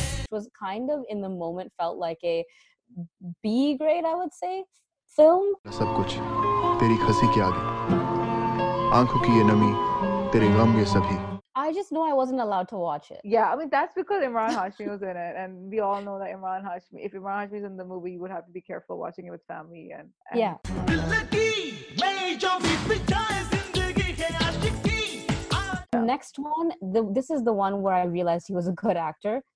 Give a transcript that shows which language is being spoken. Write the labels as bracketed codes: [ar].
[en] Was was kind of in the moment felt like a B grade, I would say, film. [hi] सब कुछ तेरी खसी के आगे आंखों की ये नमी तेरे गम ये सभी. [en] I just know I wasn't allowed to watch it. Yeah, I mean, that's because Imran Hashmi was in it. And we all know that Imran Hashmi, if Imran Hashmi's in the movie, you would have to be careful watching it with family. And yeah. Next one, this is the one where I realized he was a good actor.